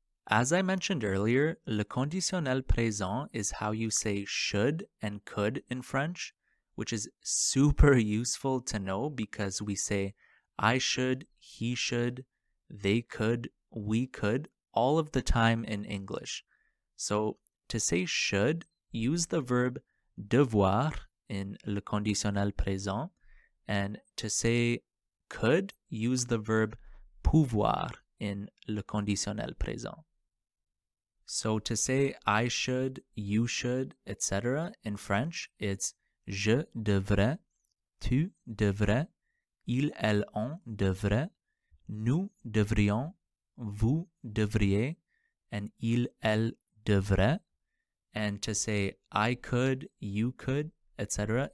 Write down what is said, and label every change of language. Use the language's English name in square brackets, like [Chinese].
[English] As I mentioned earlier, le conditionnel présent is how you say should and could in French, which is super useful to know because we say I should, he should, they could, we could, all of the time in English. So to say should, use the verb devoir in le conditionnel présent, and to say could, use the verb pouvoir in le conditionnel présent. So to say I should, you should, etc. in French, it's [French] je devrais, tu devrais, ils, elles, on devrait, nous devrions, vous devriez, and il, elle devrait. [English] And to say I could, you could, etc.